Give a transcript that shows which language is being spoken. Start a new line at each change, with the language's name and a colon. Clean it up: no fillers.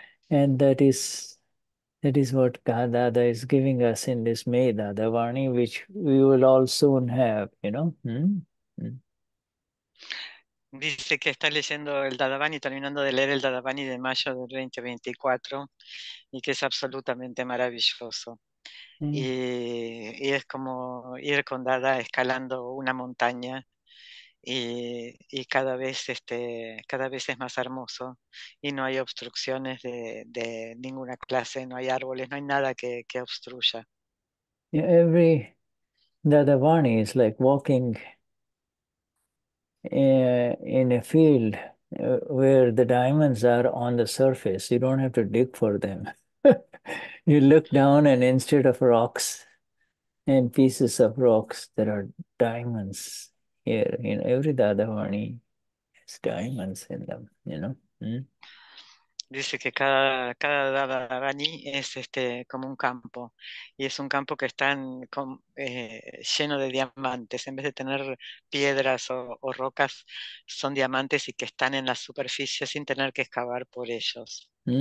English: And that is what Dada is giving us in this May Dadavani, which we will all soon have, you know.
Spanish: Dice que está leyendo el Dadavani, terminando de leer el Dadavani de mayo del 2024, y que es absolutamente maravilloso. Y es como ir con Dada escalando una montaña, y cada vez es más hermoso, y no hay obstrucciones de ninguna clase, no hay árboles, no hay nada que obstruya.
English: Every Dadavani is like walking in a field where the diamonds are on the surface. You don't have to dig for them. You look down, and instead of rocks and pieces of rocks, there are diamonds here. You know, every Dadavani has diamonds in them, you know.
Spanish: Dice que cada Dadavani es como un campo, y es un campo que está lleno de diamantes. En vez de tener piedras o rocas, son diamantes y que están en la superficie sin tener que excavar por ellos.